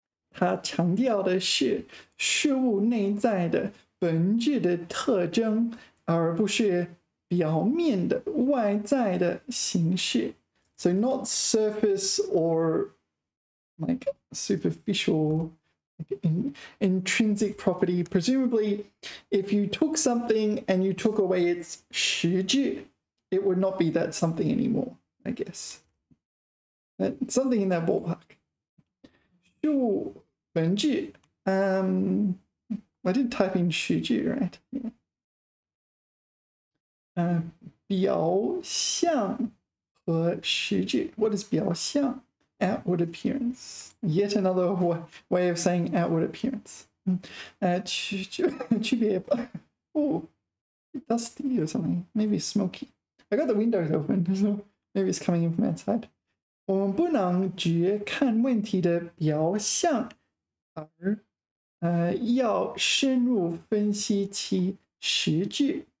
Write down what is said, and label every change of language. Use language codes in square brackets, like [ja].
[zh] 它强调的是事物内在的本质的特征, 而不是表面的外在的形式. [en] So not surface or like superficial, like intrinsic property. Presumably, if you took something and you took away its 实质, it would not be that something anymore, I guess. But something in that ballpark. 事物本质, I did type in 实质, right? Yeah. [zh] 表象.和实质, [en] what is [zh] 表象? [en] Outward appearance. Yet another way of saying outward appearance. 区别, oh, dusty or something. Maybe smoky. I got the windows open, so maybe it's coming in from outside. [zh] 我们不能只看问题的表象，而要深入分析其实质.